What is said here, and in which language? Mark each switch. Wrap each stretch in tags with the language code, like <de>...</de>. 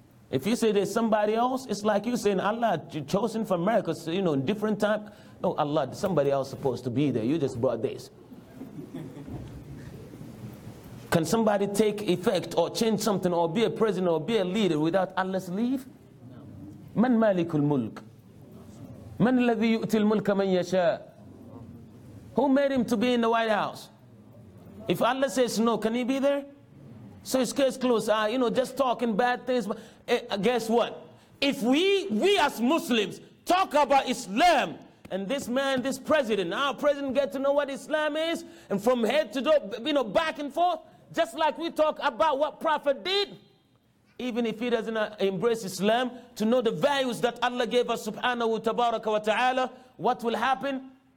<en>If you say there's somebody else, it's like you saying, Allah, you're chosen for America, so, you know, different time. No, Allah, somebody else supposed to be there. You just brought this. Can somebody take effect or change something or be a president or be a leader without Allah's leave? No. Man malikul mulk.</en> <ar>من الذي يؤتي الملك من يشاء?</ar> <en>Who made him to be in the White House? If Allah says no, can he be there? So his case closed. Just talking bad things. Guess what? If we as Muslims talk about Islam, and this man, this president, our president get to know what Islam is, and from head to toe, back and forth, just like we talk about what Prophet did, even if he doesn't embrace Islam, to know the values that Allah gave us, subhanahu tabaraka wa ta'ala, what will happen?</en>